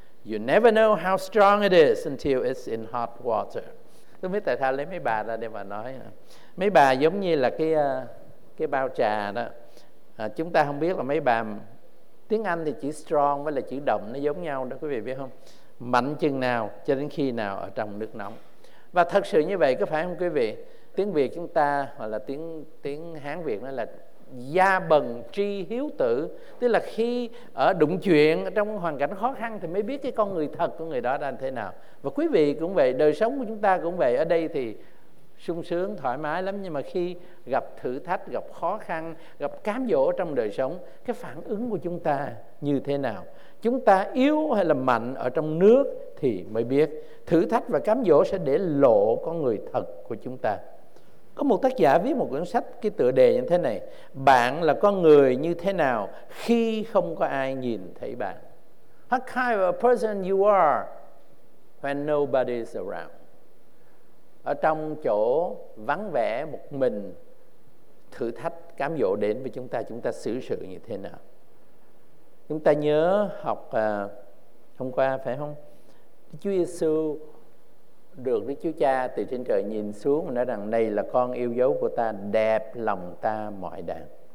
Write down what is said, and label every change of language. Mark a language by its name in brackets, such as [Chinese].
[English] You never know how strong it is until it's in hot water. [Vietnamese] Tôi mới tại sao lấy mấy bà ra để mà nói. Mấy bà giống như là cái bao trà đó. Chúng ta không biết là mấy bà, tiếng Anh thì chữ strong với là chữ động nó giống nhau đó quý vị biết không? Mạnh chừng nào cho đến khi nào ở trong nước nóng. Và thật sự như vậy có phải không quý vị? Tiếng Việt chúng ta hoặc là tiếng Hán Việt nó là gia bần tri hiếu tử, tức là khi ở đụng chuyện trong hoàn cảnh khó khăn thì mới biết cái con người thật của người đó là thế nào. Và quý vị cũng vậy, đời sống của chúng ta cũng vậy, ở đây thì sung sướng thoải mái lắm, nhưng mà khi gặp thử thách, gặp khó khăn, gặp cám dỗ trong đời sống, cái phản ứng của chúng ta như thế nào? Chúng ta yếu hay là mạnh ở trong nước thì mới biết. Thử thách và cám dỗ sẽ để lộ con người thật của chúng ta. Có một tác giả viết một cuốn sách, cái tựa đề như thế này: bạn là con người như thế nào khi không có ai nhìn thấy bạn? [English] What kind of a person you are when nobody's around? [Vietnamese] Ở trong chỗ vắng vẻ một mình, thử thách cám dỗ đến với chúng ta xử sự như thế nào? Chúng ta nhớ học hôm qua phải không? Chúa Giêsu được Đức Chúa Cha từ trên trời nhìn xuống và nói rằng: này là con yêu dấu của ta, đẹp lòng ta mọi đàng.